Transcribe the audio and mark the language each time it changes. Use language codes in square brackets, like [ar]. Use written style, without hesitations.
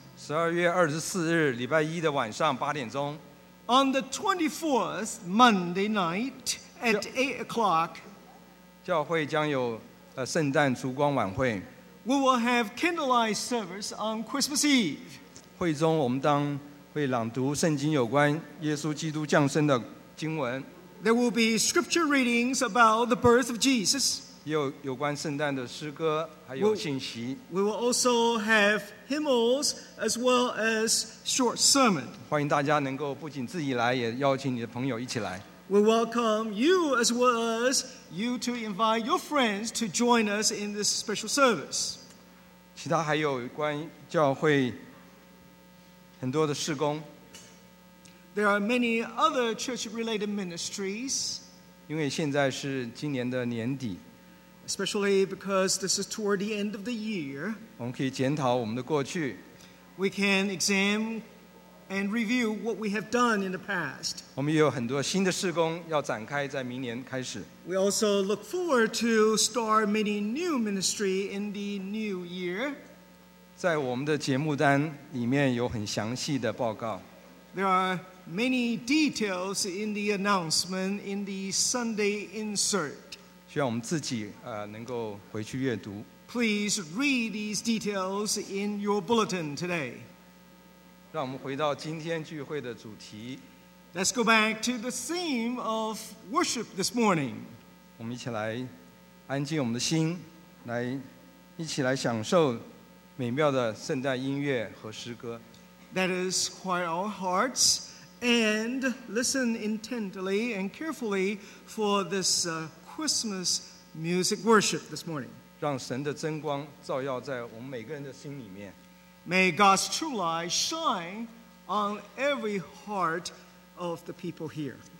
[zh] 12月24日，礼拜一的晚上8点钟。 [en] On the 24th, Monday night, at 8 o'clock, [zh] 教会将有圣诞烛光晚会。 [en] We will have candlelight service on Christmas Eve. [zh] 会中我们当会朗读圣经有关耶稣基督降生的经文。 [en] There will be scripture readings about the birth of Jesus. [zh] 有关圣诞的诗歌还有信息。 [en] We will also have hymns as well as short sermon. [zh] 欢迎大家能够不仅自己来，也邀请你的朋友一起来。 [en] We welcome you as well as you to invite your friends to join us in this special service. [zh] 其他还有关教会很多的事工。 [en] There are many other church-related ministries. [zh] 因为现在是今年的年底。 [en] Especially because this is toward the end of the year. [zh] 我们可以检讨我们的过去。 [en] We can examine and review what we have done in the past. [zh] 我们也有很多新的事工要展开，在明年开始。 [en] We also look forward to start many new ministry in the new year. [zh] 在我们的节目单里面有很详细的报告。 [en] There are many details in the announcement in the Sunday insert. [zh] 需要我们自己能够回去阅读。 [en] Please read these details in your bulletin today. [zh] 让我们回到今天聚会的主题。 [en] Let's go back to the theme of worship this morning. [zh] 我们一起来安静我们的心，来一起来享受美妙的圣诞音乐和诗歌。 [en] Let us quiet our hearts and listen intently and carefully for this Christmas music worship this morning. [zh] 让神的真光照耀在我们每个人的心里面。 [en] May God's true light shine on every heart of the people here.